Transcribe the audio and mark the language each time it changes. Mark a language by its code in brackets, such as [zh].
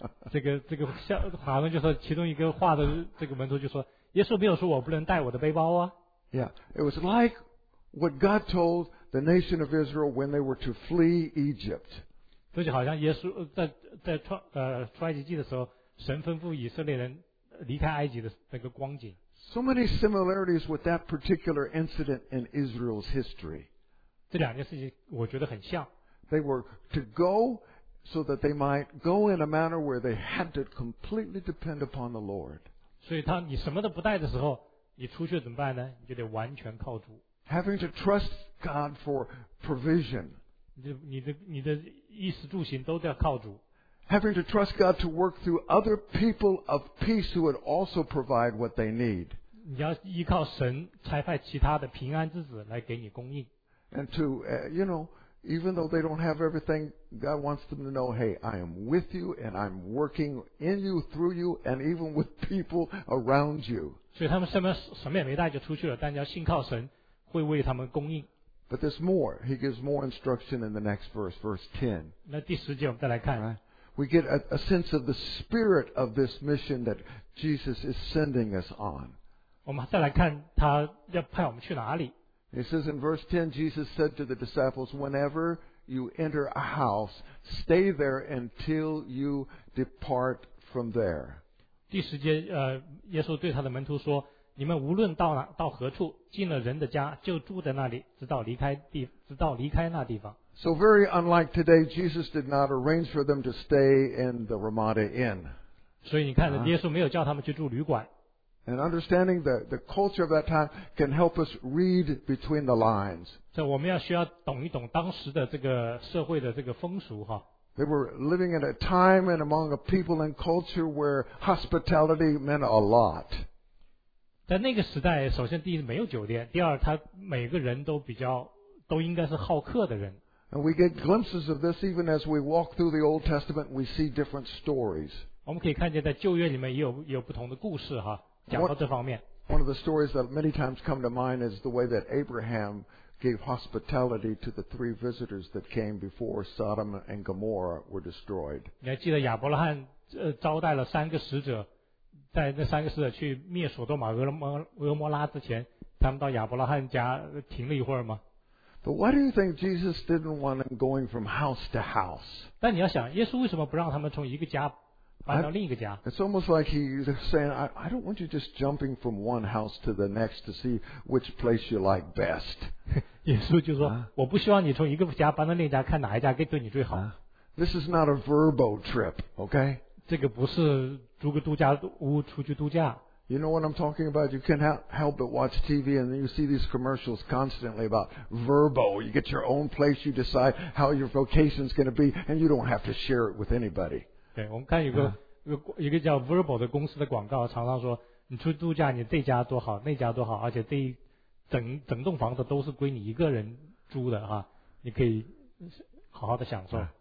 [zh] 这个好像就说其中一个画的这个门徒就说耶稣没有说我不能带我的背包啊。 [en] Yeah, it was like what God told the nation of Israel when they were to flee Egypt. [zh] 这就好像耶稣在出埃及记的时候神吩咐以色列人离开埃及的那个光景。 [en] So many similarities with that particular incident in Israel's history. [zh] 这两件事情我觉得很像。 [en] They were to go so that they might go in a manner where they had to completely depend upon the Lord. [zh] 所以他你什么都不带的时候，你出去怎么办呢？你就得完全靠主。 [en] Having to trust God for provision. [zh] 你的衣食住行都得靠主。 [en] Having to trust God to work through other people of peace who would also provide what they need. [zh] 你要依靠神差派其他的平安之子来给你供应。 [en] And to, you know, even though they don't have everything, God wants them to know, hey, I am with you and I'm working in you, through you, and even with people around you. [zh] 所以他们什么也没带就出去了，但要信靠神会为他们供应。 [en] But there's more. He gives more instruction in the next verse, verse 10. [zh] 那第十节我们再来看。 [en] Right? We get a sense of the spirit of this mission that Jesus is sending us on. [zh] 我们再来看他要派我们去哪里。 [en] He says in verse 10, Jesus said to the disciples, whenever you enter a house, stay there until you depart from there. [zh] 第十节耶稣对他的门徒说你们无论到何处进了人的家就住在那里直到离开那地方。 [en] So very unlike today, Jesus did not arrange for them to stay in the Ramada Inn. [zh] 所以你看耶稣没有叫他们去住旅馆。 [en] And understanding the culture of that time can help us read between the lines. [zh] 所以我们要需要懂一懂当时的这个社会的这个风俗哈。 [en] They were living in a time and among a people and culture where hospitality meant a lot. [zh] 在那个时代首先第一没有酒店第二他每个人都应该是好客的人。 [en] And we get glimpses of this even as we walk through the Old Testament, we see different stories. [zh] 我们可以看见在旧约里面也有不同的故事哈，讲到这方面。 [en] One of the stories that many times come to mind is the way that Abraham gave hospitality to the three visitors that came before Sodom and Gomorrah were destroyed. [zh] 你还记得亚伯拉罕招待了三个使者，在那三个使者去灭索多玛、俄摩拉之前，他们到亚伯拉罕家停了一会儿吗？ [en] But why do you think Jesus didn't want them going from house to house? [zh] 但你要想，耶稣为什么不让他们从一个家搬到另一个家？ [en] It's almost like he's saying, I don't want you just jumping from one house to the next to see which place you like best. [zh] 耶稣就说，我不希望你从一个家搬到另一家，看哪一家对你最好。 [en] This is not a verbo trip, okay? [zh] 这个不是租个度假屋出去度假。 [en] You know what I'm talking about? You can't help but watch TV and you see these commercials constantly about verbo. You get your own place, you decide how your vocation is going to be, and you don't have to share it with anybody. [zh] 对，我们看一个叫 Verbo 的公司的广告，常常说你出度假，你这家多好，那家多好，而且这一整栋房子都是归你一个人租的哈，你可以好好的享受。